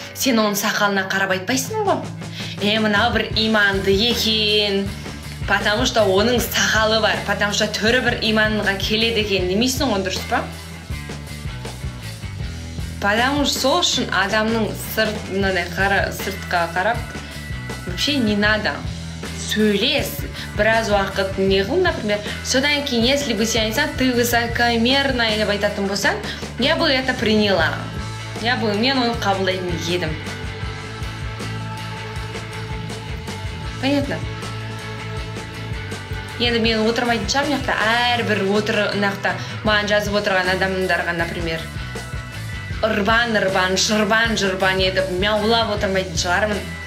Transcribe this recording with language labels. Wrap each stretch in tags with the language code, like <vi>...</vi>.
<kk>Сен оның сақалына қарап айтпайсың ба? Мынау бір иманды екен,</kk> <ru>потому что</ru> <kk>оның сақалы бар, потому что түрі бір иманға келеді екен, немесің оны дұрыс па?</kk> <ru>Потому что</ru> <kk>сол үшін адамның сырт, сыртқа қарап,</kk> <ru>вообще не надо.</ru> <kk>Сөйлес, біраз уақыт не қыл, например. Содан кейін,</kk> <ru>если бы</ru> <kk>сен айтсаң,</kk> <ru>ты высокомерна</ru> <kk>деп айтатын болсаң,</kk> <ru>я бы это приняла. Я бы,</ru> <kk>мен оны қабылдайтын едім.</kk> <ru>Понятно?</ru> <kk>Енді мен отырмайтын шығар, мен әрбір маған жазып отырған адамдарға, например, ұрбан-ұрбан, жырбан-жырбан едіп, мяулап отырмайтын шығармын.</kk>